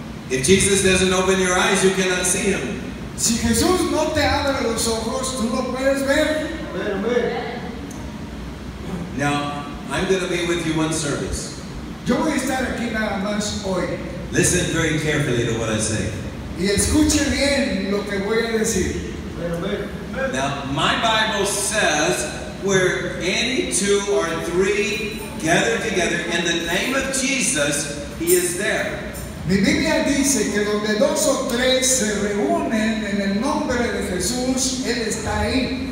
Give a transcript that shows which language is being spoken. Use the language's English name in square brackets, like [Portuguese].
[English] If Jesus doesn't open your eyes, you cannot see Him. [Spanish] Si Jesús no te abre los ojos, tú no puedes ver. [English] Now, I'm going to be with you one service. [Spanish] Yo voy a estar aquí nada más hoy. [English] Listen very carefully to what I say. [Spanish] Y escuche bien lo que voy a decir. [English] Now, my Bible says, where any two or three gather together in the name of Jesus, He is there. [Spanish] Mi Biblia dice que donde dos o tres se reúnen en el nombre de Jesús, Él está ahí.